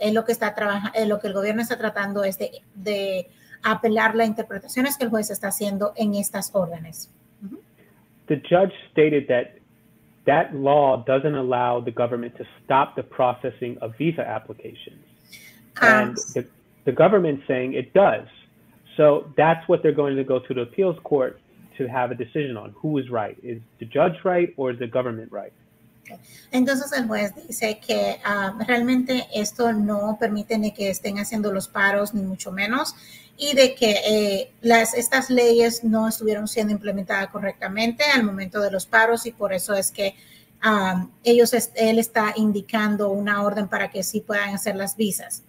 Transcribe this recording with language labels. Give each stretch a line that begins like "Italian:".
Spanish: Es lo que está trabajando, lo que el gobierno está tratando es de apelar las interpretaciones que el juez está haciendo en estas órdenes.
English: The judge stated that that law doesn't allow the government to stop the processing of visa applications. And the government's saying it does. So that's what they're going to go to the appeals court to have a decision on. Who is right? Is the judge right or is the government right?
Spanish: Entonces el juez dice que realmente esto no permite ni que estén haciendo los paros, ni mucho menos, y de que estas leyes no estuvieron siendo implementadas correctamente al momento de los paros, y por eso es que él está indicando una orden para que sí puedan hacer las visas.